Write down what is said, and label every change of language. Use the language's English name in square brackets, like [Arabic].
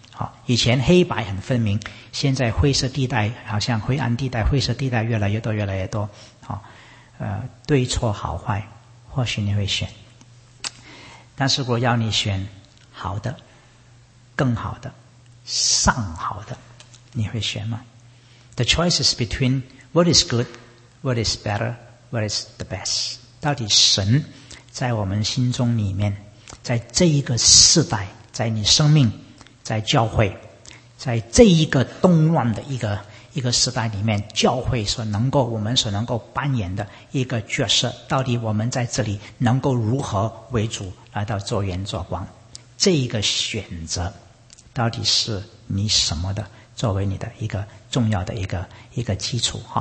[Chinese] 好，以前黑白很分明，现在灰色地带，好像灰暗地带，灰色地带越来越多越来越多。好，对错好坏或许你会选，但是如果要你选好的、更好的、上好的，你会选吗？ [English] The choice is between what is good, what is better, what is the best。 [Chinese] 到底神在我们心中里面，在这一个世代，在你生命，在教会，在这一个动乱的一个时代里面，教会所能够，我们所能够扮演的一个角色，到底我们在这里能够如何为主来到做盐做光，这一个选择到底是你什么的，作为你的一个重要的一个基础。